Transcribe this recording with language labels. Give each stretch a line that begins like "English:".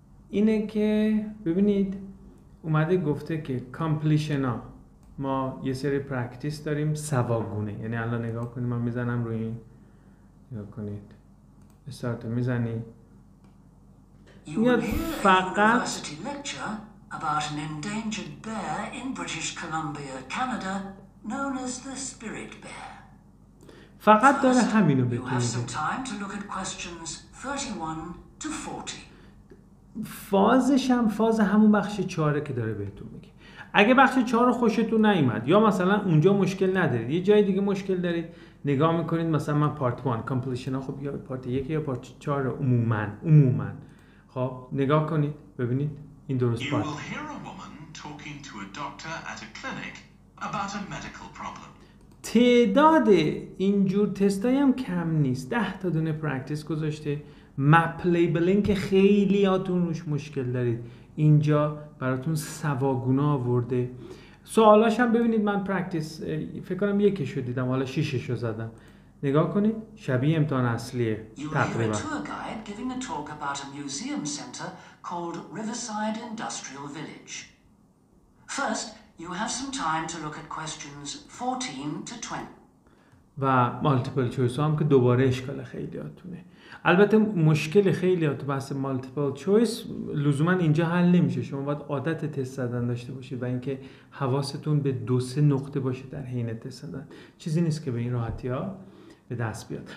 Persian: اینه که ببینید اومده گفته که کامپلیشن ها، ما یه سری پرکتیس داریم سواگونه، یعنی الان نگاه کنید من میزنم روی این، نگاه کنید استارت میزنی میاد فقط
English: about an endangered bear in British Columbia, Canada, known as the spirit bear.
Persian: فقط داره همینو بتونید.
English: You have some time to look at questions 31 to 40.
Persian: فازش هم فاز همون بخش 4 که داره بهتون میگه. اگه بخش 4 خوشتون نیومد یا مثلا اونجا مشکل ندارید، یه جای دیگه مشکل دارید، نگاه میکنید مثلا من پارت 1 کامپلیشن ها، خب یا پارت 1 یا پارت 4 عموما خب نگاه کنید ببینید این درست پارت.
English: You will hear a woman talking to a doctor at a clinic about a medical problem.
Persian: تعداد اینجور تستایی هم کم نیست، 10 تا دونه پرکتیس گذاشته. مپ لیبلینگ که خیلی هاتون روش مشکل دارید اینجا براتون سواگونا آورده. سوالاش هم ببینید، من پرکتیس فکر کنم یکیشو دیدم، حالا 6 شو زدم، نگاه کنید شبیه امتحان اصلیه تقریبا.
English: You will hear a tour guide giving a talk about a museum center called Riverside Industrial Village. First, you have some time to look at questions 14 to 20.
Persian: و مالتیپل چویس هم که دوباره اشکال خیلی هاتونه. البته مشکل خیلی هاتو بحث مالتیپل چویس لزوما اینجا حل نمیشه، شما باید عادت تست زدن داشته باشید و اینکه حواستون به دو سه نقطه باشه در حین تست زدن، چیزی نیست که به این راحتی ها به دست بیاد.